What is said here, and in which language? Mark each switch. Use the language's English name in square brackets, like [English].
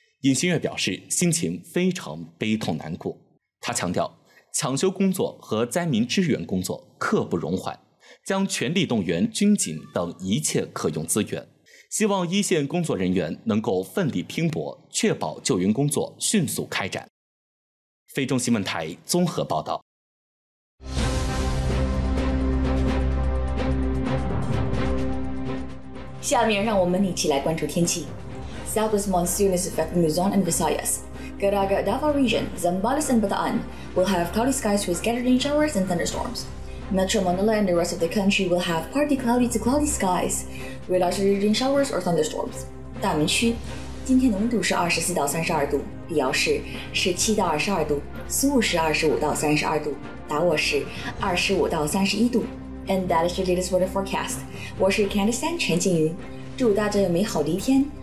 [Chinese] 尹锡悦表示心情非常悲痛难过，他强调抢修工作和灾民支援工作刻不容缓，将全力动员军警等一切可用资源，希望一线工作人员能够奋力拼搏，确保救援工作迅速开展。菲中新闻台综合报道。下面让我们一起来关注天气。 [English] Southwest monsoon is affecting Luzon and Visayas. Caraga, Davao region, Zambales and Bataan will have cloudy skies with scattered showers and thunderstorms. Metro Manila and the rest of the country will have partly cloudy to cloudy skies with isolated showers or thunderstorms. [Chinese] 大明区今天的温度是24到32度，必要是17到22度，苏雾是25到32度，达沃是25到31度。 [English] And that is your latest weather forecast. [Chinese] 我是 Candice Sand 陈静云，祝大家有美好的一天。